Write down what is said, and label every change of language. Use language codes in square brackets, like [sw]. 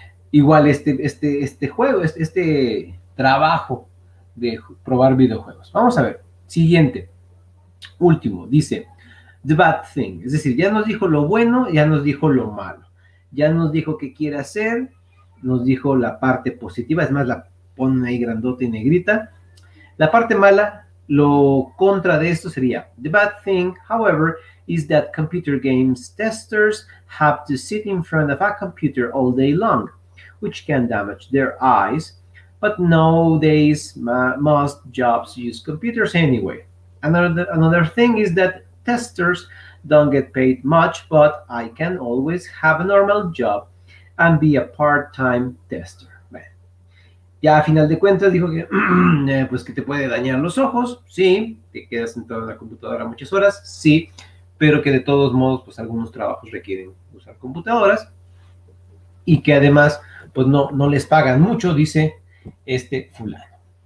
[es] Igual este juego, este trabajo de probar videojuegos. Vamos a ver. Siguiente. Último. Dice, [en] the bad thing. [es] Es decir, ya nos dijo lo bueno, ya nos dijo lo malo. Ya nos dijo qué quiere hacer, nos dijo la parte positiva. Es más, la ponen ahí grandota y negrita. La parte mala, lo contra de esto sería, [en] the bad thing, however, is that computer games testers have to sit in front of a computer all day long, which can damage their eyes, but nowadays most jobs use computers anyway. Another thing is that testers don't get paid much, but I can always have a normal job and be a part-time tester. [es] Ya a final de cuentas dijo que, pues que te puede dañar los ojos, sí, te quedas sentado en la computadora muchas horas, sí, pero que de todos modos, pues algunos trabajos requieren usar computadoras y que además, pues no les pagan mucho, dice este fulano.